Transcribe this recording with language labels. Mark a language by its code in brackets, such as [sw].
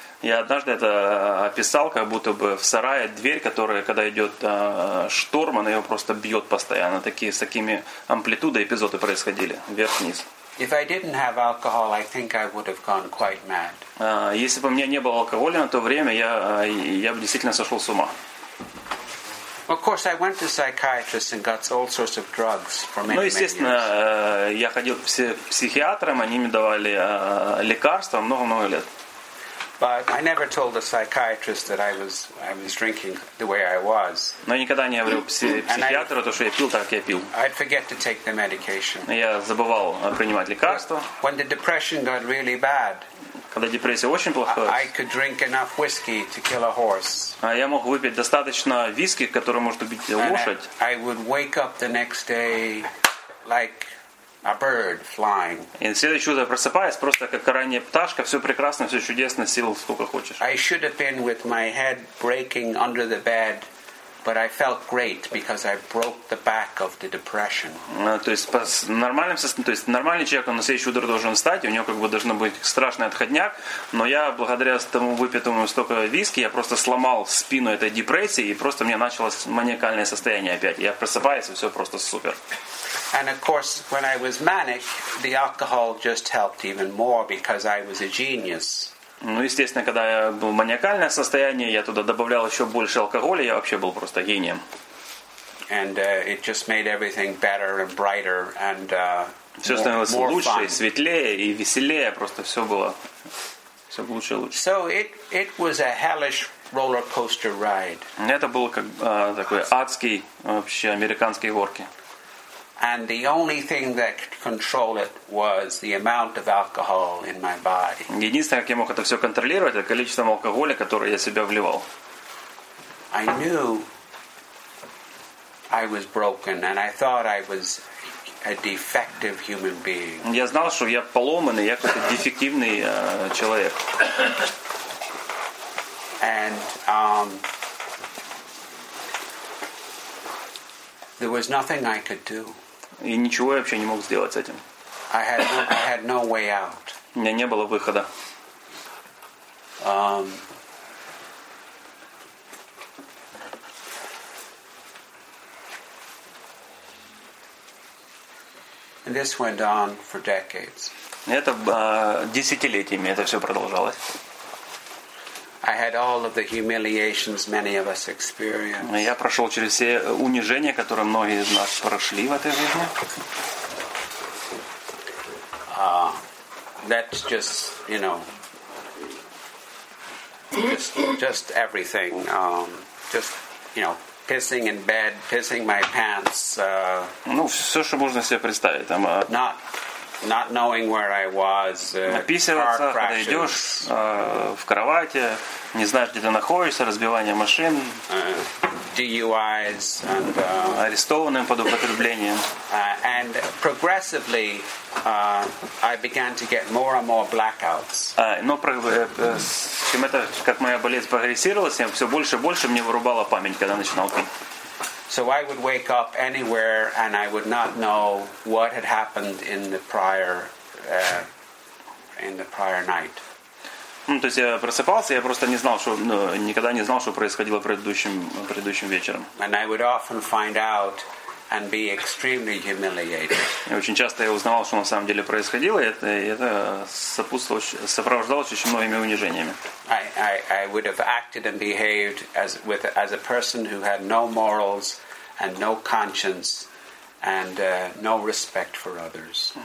[ru] Я однажды это описал, как будто бы в сарае дверь, которая, когда идет шторм, она ее просто бьет постоянно. Такие, с такими амплитудой эпизоды происходили, вверх-вниз. [en] If I didn't have alcohol, I think I would have gone quite mad. [ru] Если бы у меня не было алкоголя на то время, я бы действительно сошел с ума. [en] Of course, I went to psychiatrists and got all sorts of drugs for many, many years. [ru] Ну, естественно, я ходил к психиатрам, они мне давали лекарства много-много лет. [en] But I never told the psychiatrist that I was drinking the way I was. [ru] Но никогда не говорил психиатру, то что я пил, так я пил. [en] I'd forget to take the medication. [ru] Я забывал принимать лекарства. [en] When the depression got really bad. [ru] Когда депрессия очень плохая. [en] I could drink enough whiskey to kill a horse. [ru] А я мог выпить достаточно виски, который может убить лошадь. [en] I would wake up the next day like a bird flying. [ru] И на следующее утро просыпаясь просто как ранняя пташка, все прекрасно, все чудесно, сил сколько хочешь. [en] I should have been with my head breaking under the bed, but I felt great because I broke the back of the depression. [ru] То есть по нормальным состоянием, то есть нормальный человек, он на следующее утро должен встать, у него как бы должно быть страшный отходняк, но я благодаря тому выпитому столько виски, я просто сломал спину этой депрессии и просто мне началось маниакальное состояние опять. Я просыпаюсь, и все просто супер. [en] And of course, when I was manic, the alcohol just helped even more because I was a genius. [ru] Ну, естественно, когда я был в маниакальном состоянии, я туда добавлял еще больше алкоголя, я вообще был просто гением. [en] And it just made everything better and brighter and [ru] все становилось [en] more [ru] лучше, [en] fun. [ru] Светлее и веселее, просто все было лучше и лучше. [en] So it was a hellish roller coaster ride. [ru] Это был как такой адский вообще американские горки. [en] And the only thing that could control it was the amount of alcohol in my body. [ru] Единственное, как я мог это все контролировать, это количество алкоголя, которое я себя вливал. [en] I knew I was broken, and I thought I was a defective human being. [ru] Я знал, что я поломанный, я какой-то дефективный человек. [en] And there was nothing I could do. [ru] И ничего я вообще не мог сделать с этим. [en] I had no way out. [ru] У меня не было выхода. [en] And this went on for decades. [ru] Это десятилетиями это все продолжалось. [en] I had all of the humiliations many of us experienced. [ru] Я прошел через все унижения, которые многие из нас прошли в этой жизни. [en] That's just, you know, just everything. Just, you know, pissing in bed, pissing my pants. [ru] Ну, все, что можно себе представить. Там, [en] Not knowing where I was. [ru] Описываться, когда идешь в кровати, не знаешь, где ты находишься, разбивание машин, [en] DUIs, and [ru] арестованным под употреблением. [en] And progressively, I began to get more and more blackouts. [ru] Но чем это, как моя болезнь прогрессировалась, все больше и больше мне вырубала память, когда начинал пить. [en] So I would wake up anywhere, and I would not know what had happened in the prior night. [ru] То есть я просыпался, я просто не знал, что никогда не знал, что происходило предыдущим вечером. [en] And I would often find out and be extremely humiliated. [ru] И очень часто я узнавал, что на самом деле происходило, и это сопровождалось очень многими унижениями. [en] I would have acted and behaved as a person who had no morals and no conscience and no respect for others.